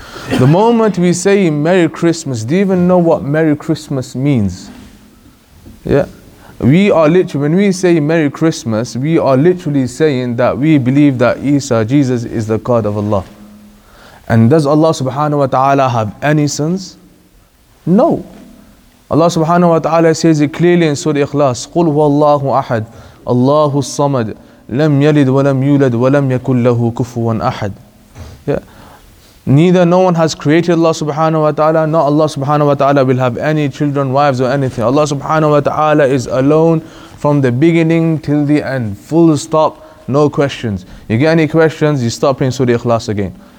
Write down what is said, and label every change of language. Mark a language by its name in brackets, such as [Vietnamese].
[English] The moment we say Merry Christmas, do you even know what Merry Christmas means? Yeah. We are literally, when we say Merry Christmas, we are literally saying that we believe that Isa, Jesus, is the God of Allah. And does Allah subhanahu wa ta'ala have any sons? No. Allah subhanahu wa ta'ala says it clearly in Surah Ikhlas, [Arabic] قُلْ هُوَ اللَّهُ أَحَدْ اللَّهُ الصَّمَدْ لَمْ يَلِدْ وَلَمْ يُولَدْ وَلَمْ يَكُلْ لَهُ كُفُوًا أَحَدْ. [English] Neither no one has created Allah subhanahu wa ta'ala, nor Allah subhanahu wa ta'ala will have any children, wives or anything. Allah subhanahu wa ta'ala is alone from the beginning till the end. Full stop, no questions. You get any questions, you stop in Surah Ikhlas again.